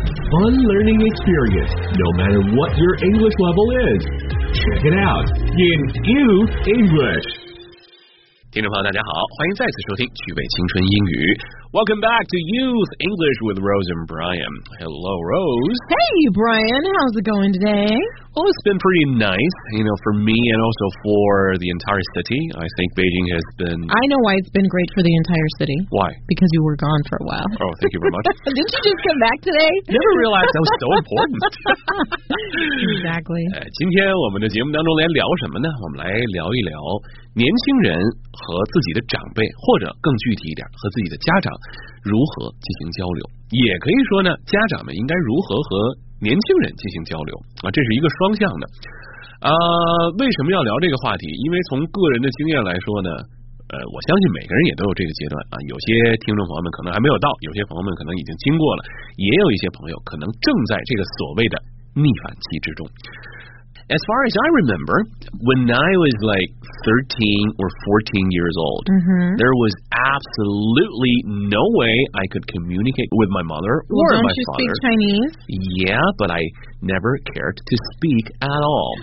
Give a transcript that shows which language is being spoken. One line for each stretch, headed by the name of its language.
English: Fun learning experience, no matter what your English level is. Check it out in Use English.
Chinese: 听众朋友大家好，欢迎再次收听趣味青春英语。
English: Welcome back to Youth English with Rose and Brian. Hello, Rose. Hey, Brian. How's it going today? Well, it's been pretty nice, you know, for me and also for the entire city. I think Beijing has been... I know why it's been great for the entire city. Why? Because you were gone for a while. Oh, thank you very much. Didn't you just come back today? Never realized that was so important. Exactly.
Chinese: 今天我们的节目当中来聊什么呢？我们来聊一聊年轻人和自己的长辈，或者更具体一点，和自己的家长如何进行交流，也可以说呢，家长们应该如何和年轻人进行交流啊，这是一个双向的。为什么要聊这个话题？因为从个人的经验来说呢，我相信每个人也都有这个阶段啊。有些听众朋友们可能还没有到，有些朋友们可能已经经过了，也有一些朋友可能正在这个所谓的逆反期之中。
English: As far as I remember, when I was like 13 or 14 years old, there was absolutely no way I could communicate with my mother or my father. Don't you speak Chinese? Yeah, but I never cared to speak at all.